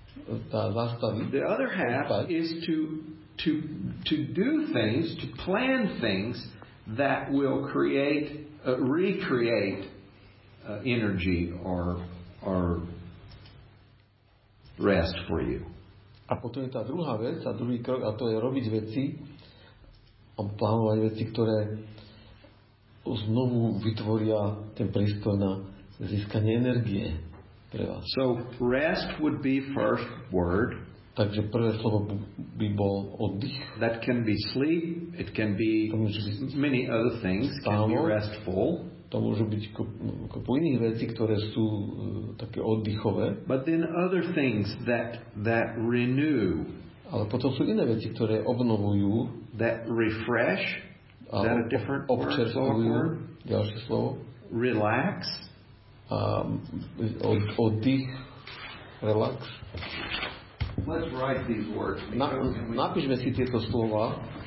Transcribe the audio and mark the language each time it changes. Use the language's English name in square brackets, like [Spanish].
[English] The other half is to do things, to plan things that will create, recreate energy or rest for you. [Slovak] A potom je tá druhá vec, a druhý krok, a to je robiť veci, a plánovať veci, ktoré znovu vytvoria ten prístor na získanie energie. [English] So rest would be first word. [Slovak] Takže prvé slovo by bol oddych. [English] That can be sleep, it can be many other things, can be restful. [Slovak] To môžu byť kopu iných vecí, ktoré sú také oddychové. [English] But then other things that renew. [Slovak] Ale potom sú iné veci, ktoré obnovujú. [English] That refresh. Is that a different word? [Slovak] Ďalšie slovo. [English] Relax. [Slovak] Oddych, relax. [English] Let's write these words. [Slovak] Napíšme si tieto slova.